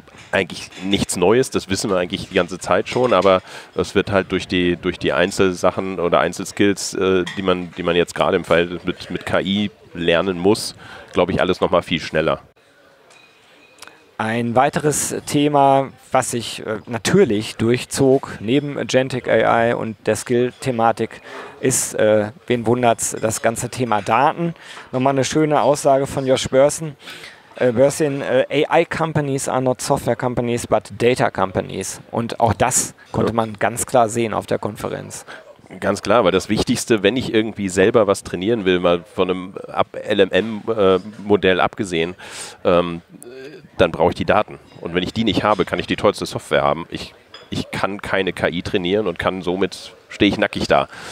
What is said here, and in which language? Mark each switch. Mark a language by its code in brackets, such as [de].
[de] Eigentlich nichts Neues, das wissen wir eigentlich die ganze Zeit schon, aber es wird halt durch die Einzelsachen oder Einzelskills, die man jetzt gerade im Verhältnis mit KI lernen muss, glaube ich, alles nochmal viel schneller. Ein weiteres Thema, was sich natürlich durchzog neben Agentic AI und der Skill-Thematik, ist, wen wundert's, das ganze Thema Daten. Nochmal eine schöne Aussage von Josh Börsen. [en] Börsen, AI Companies are not software companies, but data companies. [de] Und auch das konnte man ganz klar sehen auf der Konferenz. Ganz klar, weil das Wichtigste, wenn ich irgendwie selber was trainieren will, mal von einem LLM-Modell abgesehen, dann brauche ich die Daten. Und wenn ich die nicht habe, kann ich die tollste Software haben. Ich kann keine KI trainieren und kann somit, stehe ich nackig da.